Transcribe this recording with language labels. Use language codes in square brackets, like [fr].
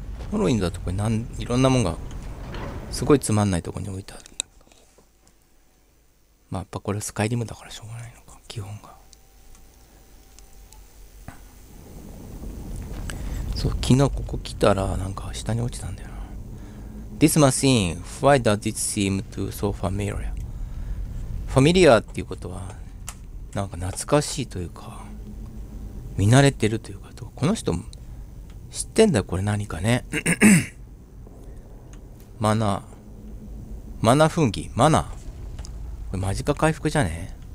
[ja] ホロウィンだとこれなん、いろんなもんが、すごいつまんないとこに置いてある。まあ、やっぱこれスカイリムだからしょうがないのか、基本が。そう、昨日ここ来たら、なんか下に落ちたんだよな。 [en] This machine, why does it seem to so familiar? [ja] Familiar っていうことは、なんか懐かしいというか、見慣れてるというか、この人も知ってんだよ、これ何かね。マナ。マナ奮起。マナ。これ間近回復じゃね？